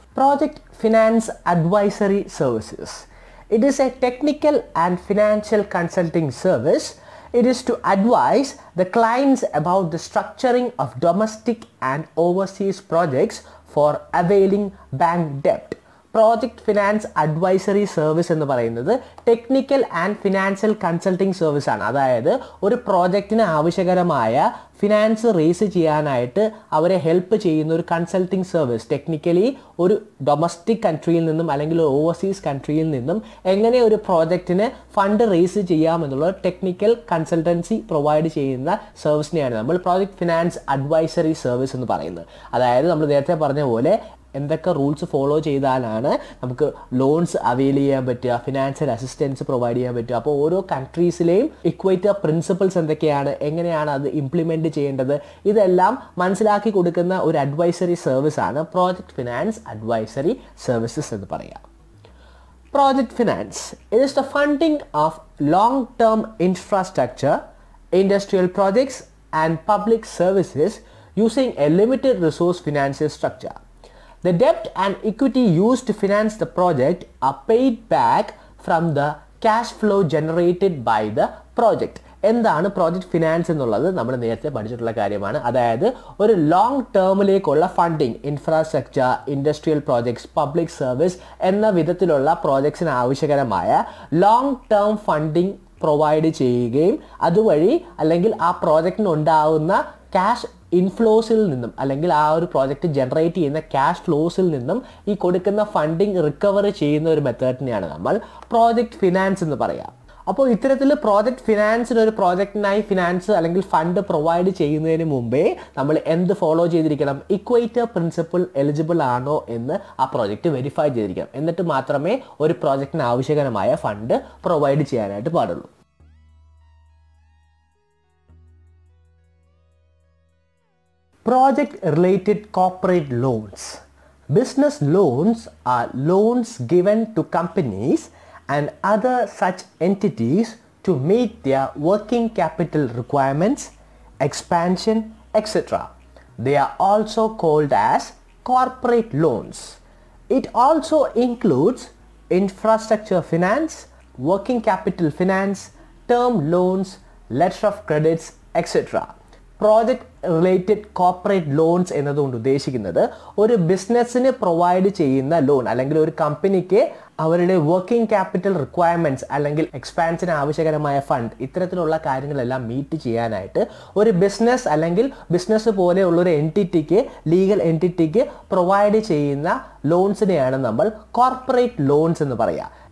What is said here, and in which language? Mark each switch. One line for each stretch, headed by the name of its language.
English: Project finance advisory services. It is a technical and financial consulting service. It is to advise the clients about the structuring of domestic and overseas projects for availing bank debt.
Malayalam: Project finance advisory service എന്ന് പറയുന്നത് technical and financial consulting service ആണ്. അതായത് ഒരു പ്രോജക്റ്റിന് ആവശ്യകരമായ finance raise ചെയ്യാനായിട്ട് അവരെ help ചെയ്യുന്ന ഒരു കൺസൾട്ടിംഗ് സർവീസ്. ടെക്നിക്കലി ഒരു ഡൊമസ്റ്റിക് കൺട്രിയിൽ നിന്നും അല്ലെങ്കിൽ ഓവർസീസ് കൺട്രിയിൽ നിന്നും എങ്ങനെ ഒരു പ്രോജക്റ്റിന് fund raise ചെയ്യാമെന്നുള്ള technical consultancy provide ചെയ്യുന്ന സർവീസിനെയാണ് നമ്മൾ പ്രോജക്റ്റ് ഫിനാൻസ് അഡ്വൈസറി സർവീസ് എന്ന് പറയുന്നത്. അതായത് നമ്മൾ നേരത്തെ പറഞ്ഞ പോലെ എന്തൊക്കെ റൂൾസ് ഫോളോ ചെയ്താലാണ് നമുക്ക് ലോൺസ് അവെയിൽ ചെയ്യാൻ പറ്റുക, ഫിനാൻഷ്യൽ അസിസ്റ്റൻസ് പ്രൊവൈഡ് ചെയ്യാൻ പറ്റുക. അപ്പോൾ ഓരോ കൺട്രീസിലെയും ഇക്വേറ്റർ പ്രിൻസിപ്പിൾസ് എന്തൊക്കെയാണ്, എങ്ങനെയാണ് അത് ഇംപ്ലിമെൻ്റ് ചെയ്യേണ്ടത്, ഇതെല്ലാം മനസ്സിലാക്കി കൊടുക്കുന്ന ഒരു അഡ്വൈസറി സർവീസാണ് പ്രോജക്റ്റ് ഫിനാൻസ് അഡ്വൈസറി സർവീസസ് എന്ന് പറയാം.
English: Project finance it is the funding of long term infrastructure industrial projects and public services using a limited resource financial structure. The debt and equity used to finance the project are paid back from the cash flow generated by the project.
Malayalam: എന്താണ് project finance എന്നുള്ളത് നമ്മൾ നേരത്തെ പഠിച്ചിട്ടുള്ള കാര്യമാണ്. അതായത് ഒരു long ടേമിലേക്കുള്ള funding, infrastructure, industrial projects, public service എന്ന വിധത്തിലുള്ള പ്രോജക്ട്സിന് ആവശ്യകരമായ ലോങ് ടേം ഫണ്ടിങ് പ്രൊവൈഡ് ചെയ്യുകയും അതുവഴി അല്ലെങ്കിൽ ആ പ്രോജക്റ്റിന് ഉണ്ടാവുന്ന ക്യാഷ് ഇൻഫ്ലോസിൽ നിന്നും അല്ലെങ്കിൽ ആ ഒരു പ്രോജക്റ്റ് ജനറേറ്റ് ചെയ്യുന്ന ക്യാഷ് ഫ്ലോസിൽ നിന്നും ഈ കൊടുക്കുന്ന ഫണ്ടിങ് റിക്കവറി ചെയ്യുന്ന ഒരു മെത്തേഡിനെയാണ് നമ്മൾ പ്രോജക്ട് ഫിനാൻസ് എന്ന് പറയുക. അപ്പോൾ ഇത്തരത്തിൽ പ്രോജക്ട് ഫിനാൻസിന് ഒരു പ്രോജക്റ്റിനായി ഫിനാൻസ് അല്ലെങ്കിൽ ഫണ്ട് പ്രൊവൈഡ് ചെയ്യുന്നതിന് മുമ്പേ നമ്മൾ എന്ത് ഫോളോ ചെയ്തിരിക്കണം, ഇക്വേറ്റർ പ്രിൻസിപ്പിൾ എലിജിബിൾ ആണോ എന്ന് ആ പ്രോജക്റ്റ് വെരിഫൈ ചെയ്തിരിക്കണം. എന്നിട്ട് മാത്രമേ ഒരു പ്രോജക്റ്റിന് ആവശ്യകരമായ ഫണ്ട് പ്രൊവൈഡ് ചെയ്യാനായിട്ട് പാടുള്ളൂ.
English: Project related corporate loans. Business loans are loans given to companies and other such entities to meet their working capital requirements, expansion, etc. They are also called as corporate loans. It also includes infrastructure finance, working capital finance, term loans, letter of credits, etc.
Malayalam: Project related corporate loans എന്നതുകൊണ്ട് ഉദ്ദേശിക്കുന്നത് ഒരു ബിസിനസ്സിന് provide ചെയ്യുന്ന loan അല്ലെങ്കിൽ ഒരു കമ്പനിക്ക് അവരുടെ working capital requirements അല്ലെങ്കിൽ എക്സ്പാൻഷന് ആവശ്യകരമായ ഫണ്ട് ഇത്തരത്തിലുള്ള കാര്യങ്ങളെല്ലാം മീറ്റ് ചെയ്യാനായിട്ട് ഒരു ബിസിനസ് അല്ലെങ്കിൽ ബിസിനസ് പോലെയുള്ളൊരു എൻറ്റിറ്റിക്ക് ലീഗൽ എൻറ്റിറ്റിക്ക് പ്രൊവൈഡ് ചെയ്യുന്ന ലോൺസിനെയാണ് നമ്മൾ കോർപ്പറേറ്റ് ലോൺസ് എന്ന് പറയുക.